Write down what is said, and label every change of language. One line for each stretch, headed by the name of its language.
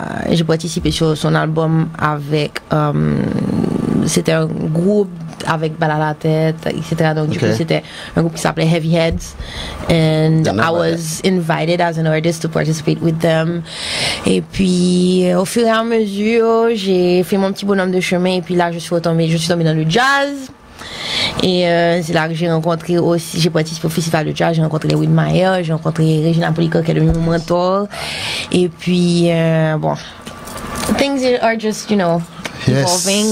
French: J'ai participé sur son album avec c'était un groupe avec Balle à la tête, etc. Donc, okay, du coup, c'était un groupe qui s'appelait Heavy Heads.
English: And yeah, I was invited as an artist to participate with them.
French: Et puis, au fur et à mesure, j'ai fait mon petit bonhomme de chemin. Et puis là, je suis tombée dans le jazz. Et c'est là que j'ai rencontré aussi, j'ai participé au festival de jazz, j'ai rencontré Lewin Meyer, j'ai rencontré Regina Polico, qui est devenue mon mentor. Et puis, bon,
English: things are just, you know, evolving.